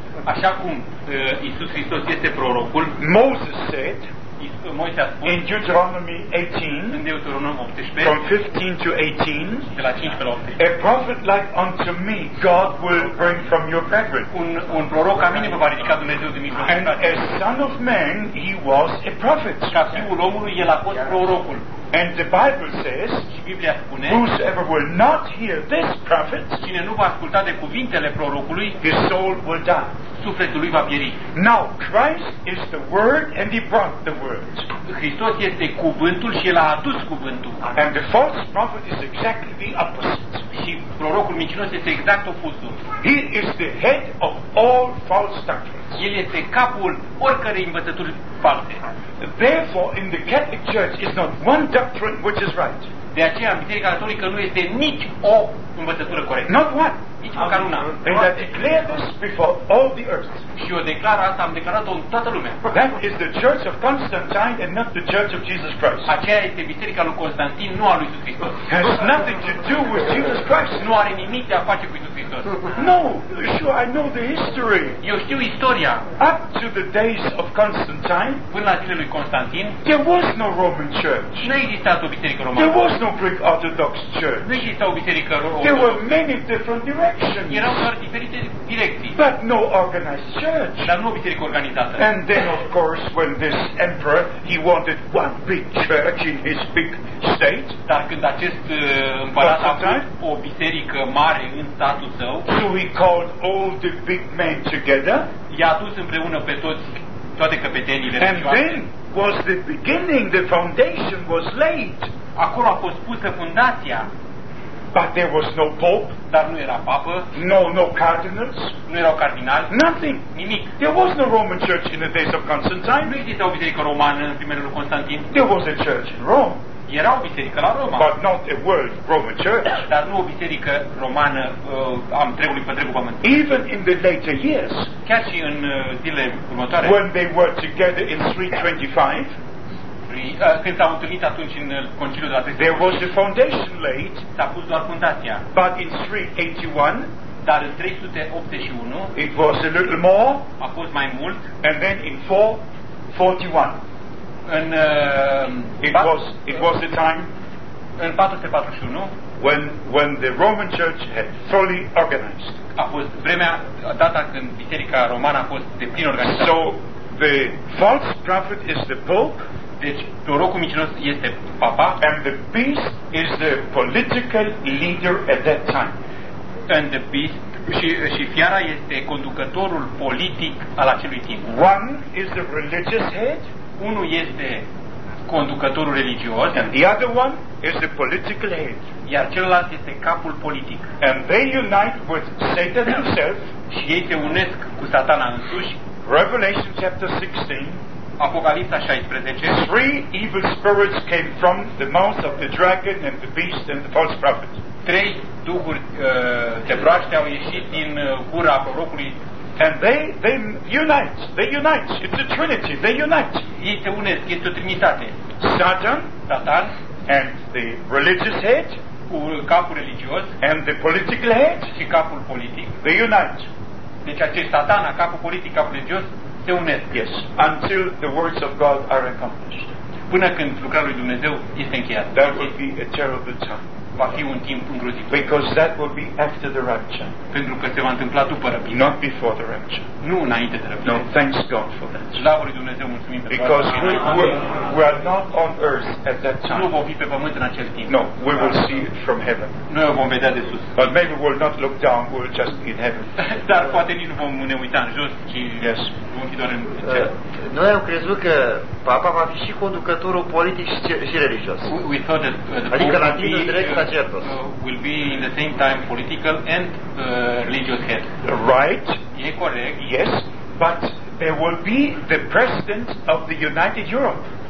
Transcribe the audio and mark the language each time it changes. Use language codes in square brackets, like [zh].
[ro] Așa cum Iisus Hristos este prorocul. [en] Moses said in Deuteronomy 18, from 15 to 18, [ro] de la 15 la 18, [en] a prophet like unto me, God will bring from your brethren. [ro] Un proroc ca mine vă va ridica Dumnezeu din mijlocul. [en] And a son of man, he was a prophet. [ro] Ca fiul omului, el a fost prorocul. [en] And the Bible says, [ro] și Biblia spune, [en] whosoever will not hear this prophet, [ro] cine nu va asculta de cuvintele prorocului, [en] his soul will die. [ro] Sufletul lui va pieri. [en] Now Christ is the Word and he brought the Word. [ro] Hristos este cuvântul și el a adus cuvântul. [en] And the false prophet is exactly the opposite. [ro] Și prorocul mincinos este exact opusul. [en] He is the head of all false doctrines. [ro] El este capul oricărei învățături false. [en] Therefore, in the Catholic Church is not one doctrine which is right. [ro] De aceea, în Biserica Catolică nu este nici o învățătură corectă. [en] Not one. [ro] Nici măcar una. [en] And I declare this before all the earth. [ro] Și eu declar asta, am declarat-o în toată lumea. [en] That is the Church of Constantine and not the Church of Jesus Christ. [ro] Aceea este Biserica lui Constantin, nu a lui Iisus Hristos. [en] Has nothing to do with Jesus Christ. [ro] Nu are nimic de a face cu Iisus Hristos. [en] No, sure, I know the history. [ro] Eu știu istoria. [en] Up to the days of Constantine, [ro] până la zilele lui Constantin, [en] there was no Roman Church. [ro] Nu exista o biserică romană. [en] There was no Greek Orthodox Church. [ro] Nu exista o biserică romană. [en] There were many different directions. [ro] Erau doar diferite direcții. [en] But no organized church. [ro] Dar nu o biserică organizată. [en] And then, of course, when this emperor, he wanted one big church in his big state. [ro] Dar când acest împărat a vrut o biserică mare în statul său, [en] so he called all the big men together. [ro] I-a adus împreună pe toți, toate căpetenile. [en] And then, was the beginning, the foundation was laid. [ro] Acolo a fost pusă fundația. [en] But there was no pope. [ro] Dar nu era papă. [en] No cardinals. [ro] Nu erau cardinali. [en] Nothing. [ro] Nimic. [en] There was no Roman church in the days of Constantine. [ro] Nu exista o biserică romană în primele lui Constantin. [en] There was a church in Rome. [ro] Era o biserică la Roma. [en] But not a world Roman church. [ro] Dar nu o biserică romană întregului pătregul pământ. [en] Even in the later years. [ro] Chiar și în zilele următoare. [en] When they were together in 325. [ro] Când s-au întâlnit atunci în conciliul de la 325. [en] There was a foundation laid. [ro] S-a pus doar fundația. [en] But in 381. [ro] Dar în 381. [en] It was a little more. [ro] A fost mai mult. [en] And then in 441. [ro] În, [en] it was the time [ro] în 441 [en] when the Roman Church had fully organized. [ro] A fost vremea, data când biserica romană a fost deplin organizată. [en] So the false prophet is the pope. [ro] Deci prorocul mincinos este papa. [en] And the beast is the political leader at that time. And the beast [ro] și fiara este conducătorul politic al acelui timp. [en] One is the religious head. [ro] Unul este conducătorul religios, [en] and the other one is the political head. [ro] Iar celălalt este capul politic. [en] And they unite with Satan himself. [ro] Și ei se unesc cu Satana însuși. [en] Revelation chapter 16. [ro] Apocalipsa 16. [en] Three evil spirits came from the mouth of the dragon and the beast and the false prophet. [ro] Trei duhuri de broaște au ieșit din gura prorocului. [en] And they unite. It's a trinity. They unite. [ro] Ei se unesc. Este o trinitate. [en] Satan. And the religious head. [ro] Capul religios. [en] And the political head. [ro] Și capul politic. [en] They unite. [ro] Deci acest Satana, capul politic, capul religios, se unesc. [en] Yes. Until the words of God are accomplished. [ro] Până când lucrarea lui Dumnezeu este încheiată. [en] That will be a terrible time. [ro] Va fi un timp îngrozitor. [en] Because that will be after the rapture. [ro] Pentru că se va întâmpla după răpire. [en] Not before the rapture. [ro] Nu înainte de răpire. [en] No, thanks God for that. [ro] Slavă lui Dumnezeu, mulțumim pentru. [en] Because we are not on earth at that time. [ro] Nu vom fi pe pământ în acel timp. [en] No, we will see it from heaven. [ro] Noi o vom vedea de sus. [en] But maybe we will not look down, we will just be in heaven. [ro] Dar poate nici nu vom ne uita în jos, ci [en] yes. [ro] Vom fi doar în cer. Noi am crezut că papa va fi și conducătorul politic și religios. [en] We thought that [ro] adică la tine direct la [en] Will be in the same time political and religious head. Right. [ro] E corect. [en] Yes, but there will be the president of the United Europe.